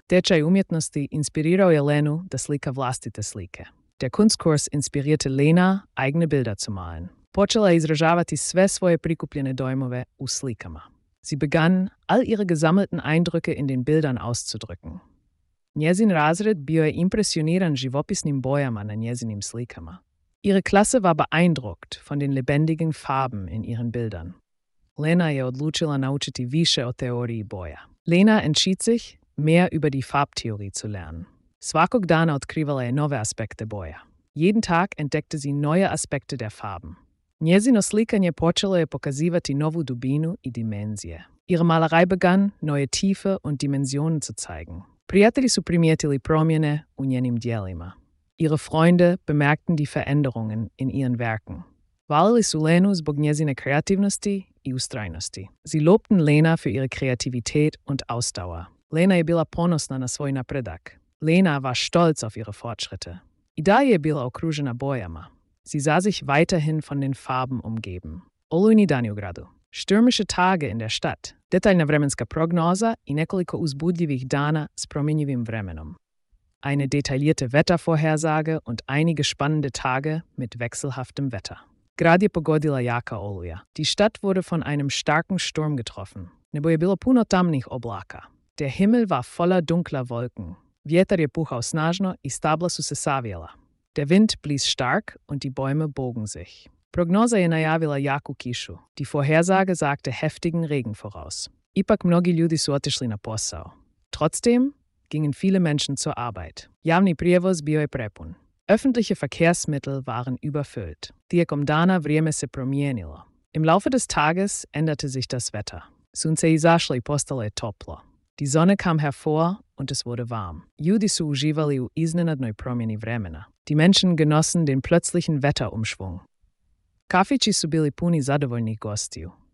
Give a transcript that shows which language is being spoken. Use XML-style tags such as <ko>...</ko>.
<hr>Tečaj umjetnosti inspirirao je Lenu da slika vlastite slike.</hr> <de>Der Kunstkurs inspirierte Lena, eigene Bilder zu malen.</de> <hr>Počela je izražavati sve svoje prikupljene dojmove u slikama.</hr> <de>Sie begann, all ihre gesammelten Eindrücke in den Bildern auszudrücken.</de> <hr>Njezin razred bio je impresioniran živopisnim bojama na njezinim slikama.</hr> <de>Ihre Klasse war beeindruckt von den lebendigen Farben in ihren Bildern.</de> <hr>Lena je odlučila naučiti više o teoriji boja.</hr> <de>Lena entschied sich, mehr über die Farbtheorie zu lernen.</de> <hr>Svakog dana otkrivala je nove aspekte boja.</hr> <de>Jeden Tag entdeckte sie neue Aspekte der Farben.</de> <hr>Njezino slikanje počelo je pokazivati novu dubinu i dimenzije.</hr> <de>Ihre Malerei begann, neue Tiefe und Dimensionen zu zeigen.</de> <hr>Prijatelji su primijetili promjene u njenim djelima.</hr> <de>Ihre Freunde bemerkten die Veränderungen in ihren Werken.</de> <hr>Valili su Lenu zbog njezine kreativnosti i ustrajnosti.</hr> <de>Sie lobten Lena für ihre Kreativität und Ausdauer.</de> <hr>Lena je bila ponosna na svoj napredak.</hr> <de>Lena war stolz auf ihre Fortschritte.</de> <hr>I dalje je bila okružena bojama.</hr> <de>Sie sah sich weiterhin von den Farben umgeben.</de> <hr>Olujni dan u gradu.</hr> <de>Stürmische Tage in der Stadt.</de> <hr>Detaljna vremenska prognoza i nekoliko uzbudljivih dana s promjenjivim vremenom.</hr> <de>eine detaillierte Wettervorhersage und einige spannende Tage mit wechselhaftem Wetter.</de> <hr>Gradi pogodila jaka oluja.</hr> <de>Die Stadt wurde von einem starken Sturm getroffen.</de> <hr>Nebo je bilo puno tamnih oblaka.</hr> <de>Der Himmel war voller dunkler Wolken.</de> <hr>Vjetar je puhao snažno i stabla su se savjela.</hr> <de>Der Wind blies stark und die Bäume bogen sich.</de> <hr>Prognoza je najavila jaku kišu.</hr> <de>Die Vorhersage sagte heftigen Regen voraus.</de> <hr>Ipak mnogi ljudi su otišli na posao.</hr> <de>Trotzdem gingen viele Menschen zur Arbeit.</de> <hr>Javni prijevoz bio je prepun.</hr> <de>Öffentliche Verkehrsmittel waren überfüllt.</de> <hr>Tijekom dana vrijeme se promijenilo.</hr> <de>Im Laufe des Tages änderte sich das Wetter.</de> <hr>Sunce izašlo i postalo je toplo.</hr> <de>Die Sonne kam hervor und es wurde warm.</de> <hr>Ljudi su uživali u iznenadnoj promjeni vremena.</hr> <de>Die Menschen genossen den plötzlichen Wetterumschwung.</de> <hr>Kafići su bili puni zadovoljnih gostiju.</hr>